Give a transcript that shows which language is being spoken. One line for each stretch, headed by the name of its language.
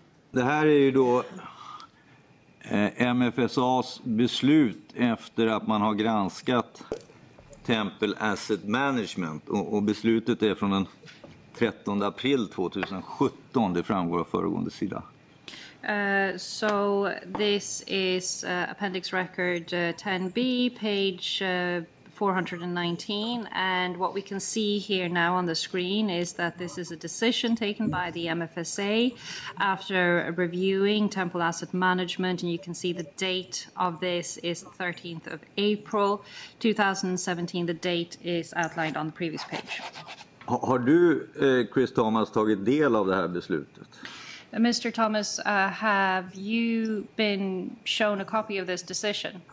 Swedish: Det här är ju då MFSAs beslut efter att man har granskat Temple Asset Management, och beslutet är från den 13 april 2017, det framgår av föregående sida.
English: So this is appendix record 10B, page 419, and what we can see here now on the screen is that this is a decision taken by the MFSA after reviewing Temple Asset Management, and you can see the date of this is 13th of April 2017. The date is outlined on the previous page.
Swedish: Har du, Chris Thomas, tagit del av det här beslutet?
English: Mr. Thomas, have you been shown a copy of this decision?